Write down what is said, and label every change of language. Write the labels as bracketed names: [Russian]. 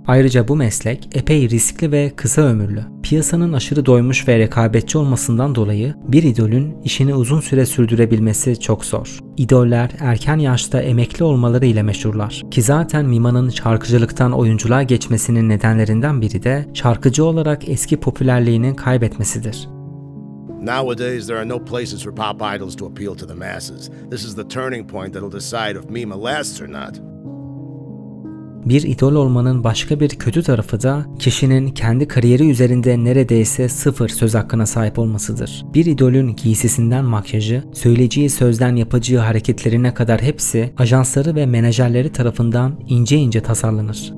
[Turkish] Ayrıca bu meslek epey riskli ve kısa ömürlü. Piyasanın aşırı doymuş ve rekabetçi olmasından dolayı bir idolün işini uzun süre sürdürebilmesi çok zor. İdoller erken yaşta emekli olmaları ile meşhurlar. Ki zaten Mima'nın şarkıcılıktan oyunculuğa geçmesinin nedenlerinden biri de şarkıcı olarak eski popülerliğini kaybetmesidir. [English] Nowadays there are no places for pop idols to appeal to the masses. This is the turning point that'll decide if Mima lasts or not. [Turkish] Bir idol olmanın başka bir kötü tarafı da kişinin kendi kariyeri üzerinde neredeyse sıfır söz hakkına sahip olmasıdır. Bir idolün giysisinden makyajı, söyleyeceği sözden yapacağı hareketlerine kadar hepsi ajansları ve menajerleri tarafından ince ince tasarlanır.